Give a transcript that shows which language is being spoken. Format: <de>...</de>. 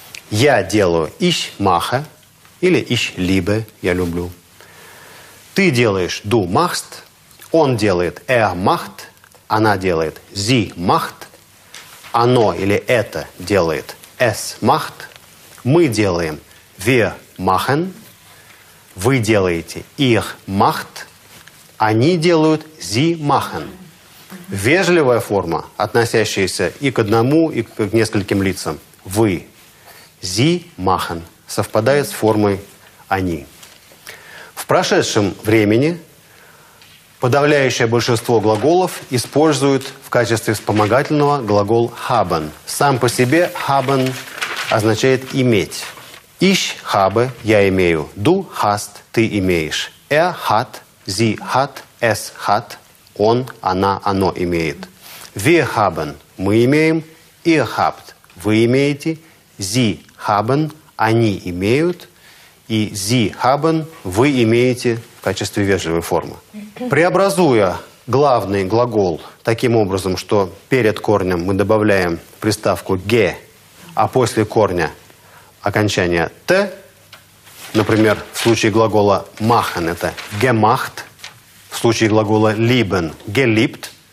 <ru>«Я делаю</ru> <de>ich mache»</de> <ru>или</ru> <de>«ich liebe»</de> <ru>– «я люблю». «Ты делаешь</ru> <de>du machst»,</de> <ru>«он делает</ru> <de>er macht»,</de> <ru>«она делает</ru> <de>sie macht»,</de> <ru>«оно» или «это» делает</ru> <de>«es macht»,</de> <ru>«мы делаем».</ru> <de>Wir machen,</de> <ru>вы делаете</ru> <de>ihr macht,</de> <ru>они делают</ru> <de>sie machen.</de> <ru>Вежливая форма, относящаяся и к одному, и к нескольким лицам. Вы.</ru> <de>Sie machen.</de> <ru>Совпадает с формой они. В прошедшем времени подавляющее большинство глаголов используют в качестве вспомогательного глагол haben. Сам по себе haben означает иметь.</ru> <de>Ich habe,</de> <ru>я имею,</ru> <de>du hast,</de> <ru>ты имеешь,</ru> <de>er hat, sie hat, es hat,</de> <ru>он, она, оно имеет.</ru> <de>Wir haben,</de> <ru>мы имеем,</ru> <de>ihr habt,</de> <ru>вы имеете,</ru> <de>sie haben,</de> <ru>они имеют, и sie haben, вы имеете в качестве вежливой формы. Преобразуя главный глагол таким образом, что перед корнем мы добавляем приставку ge, а после корня окончание «т», например, в случае глагола «machen» – это «gemacht», в случае глагола «lieben» – «geliebt»,</ru>